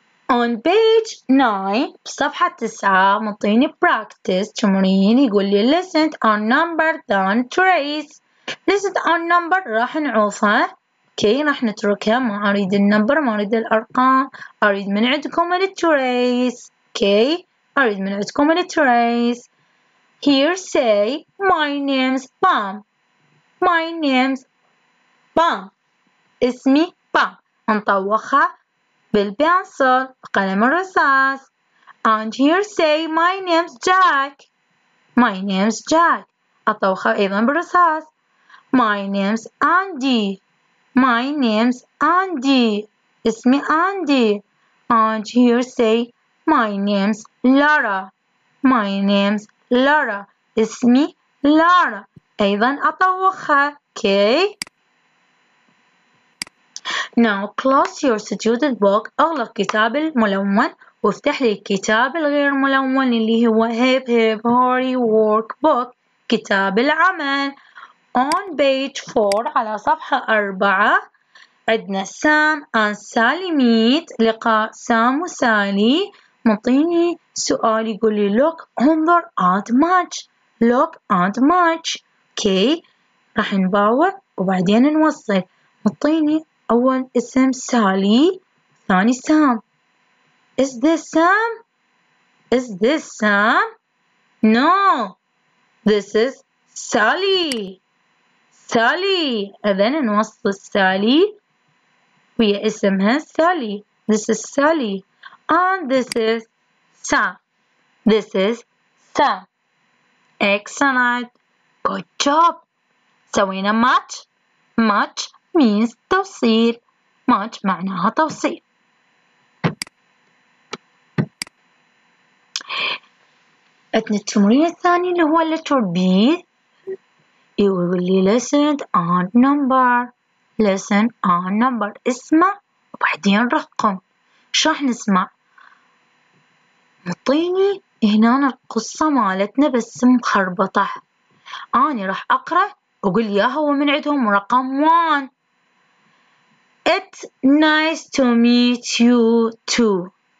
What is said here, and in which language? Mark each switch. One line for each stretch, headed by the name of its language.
English: On page 9,
Arabic: صفحة 9, مطيني
English: practice
Arabic: تمرين يقول لي
English: listen on number then trace. Listen on number
Arabic: راح نعوفها. كي راح نتركها. ما اريد النمبر. ما اريد الارقام. اريد من عندكم التريس. كي اريد من عندكم التريس.
English: Here say my name's Pam. My name's Pam.
Arabic: اسمي
English: Pam.
Arabic: نطوخها بالبنسل قلم الرصاص.
English: And here say my name's Jack. My name's Jack.
Arabic: اطوخها ايضا بالرصاص.
English: My name's Andy. My name's Andy.
Arabic: اسمي
English: Andy. And here say my name's Lara. My name's Lara.
Arabic: اسمي
English: Lara.
Arabic: أيضاً أطوخها. Okay.
English: Now close your student book.
Arabic: أغلق كتاب الملون وافتح لي الكتاب الغير ملون اللي هو Hip Hip Hurry Workbook. كتاب العمل.
English: On page 4
Arabic: على صفحة 4 عندنا سام
English: and Sally meet.
Arabic: لقاء سام وسالي. معطيني سؤال يقول لي
English: look
Arabic: انظر
English: at match. Look at match. Okay.
Arabic: راح نباور وبعدين نوصل. معطيني أول اسم سالي ثاني سام.
English: Is this Sam? Is this Sam? No. This is Sally. Sally.
Arabic: إذن نوصل سالي ويا اسمها سالي.
English: This is Sally. And this is Sam. This is Sam. Excellent. Good job.
Arabic: سوينا match.
English: Match means توصيل.
Arabic: Match معناها توصيل. عندنا التمرين الثاني اللي هو letter B. يقول لي
English: listen and number.
Arabic: Listen and number. اسمع وبعدين رقم. شو راح نسمع؟ مطيني هنا القصة مالتنا بس مخربطة. أني راح أقرأ وقول يا هو من عندهم رقم 1.
English: It's nice to meet you too.